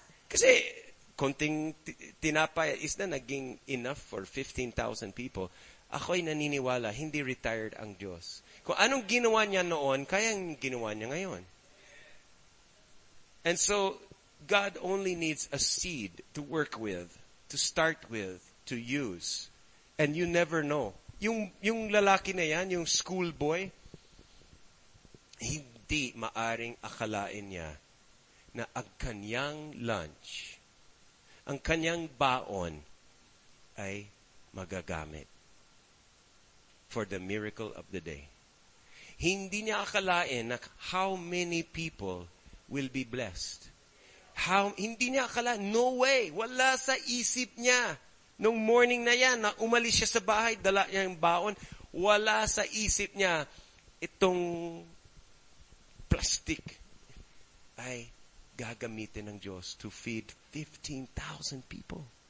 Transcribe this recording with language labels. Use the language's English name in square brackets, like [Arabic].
[Filipino] Kasi, konting tinapay is na naging enough for 15,000 people. Ako'y naniniwala, hindi retired ang Diyos. Kung anong ginawa niya noon, kayang ginawa niya ngayon. [English] And so, God only needs a seed to work with, to start with, to use. And you never know. [Filipino] Yung lalaki na yan, yung schoolboy, hindi maaring akalain niya na ang kanyang lunch, ang kanyang baon ay magagamit [English] for the miracle of the day. [Filipino] Hindi niya akalain na [English] how many people will be blessed. [Filipino] Hindi niya akalain, no way, wala sa isip niya. Nung morning na yan, na umalis siya sa bahay, dala niya yung baon, wala sa isip niya, itong plastic ay gagamitin ng Diyos [English] to feed 15,000 people.